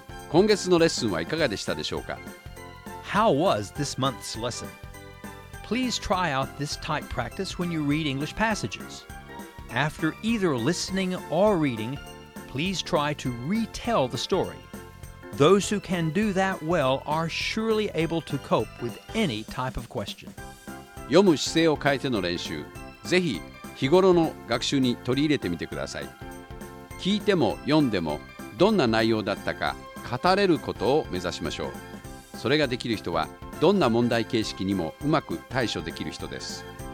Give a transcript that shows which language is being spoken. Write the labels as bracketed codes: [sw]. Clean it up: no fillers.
[ja] 今月のレッスンはいかがでしたでしょうか? [en] How was this month's lesson? Please try out this type practice when you read English passages. After either listening or reading, please try to retell the story. Those who can do that well are surely able to cope with any type of question. [ja] 読む姿勢を変えての練習、ぜひ日頃の学習に取り入れてみてください。聞いても読んでもどんな内容だったか語れることを目指しましょう。それができる人はどんな問題形式にもうまく対処できる人です。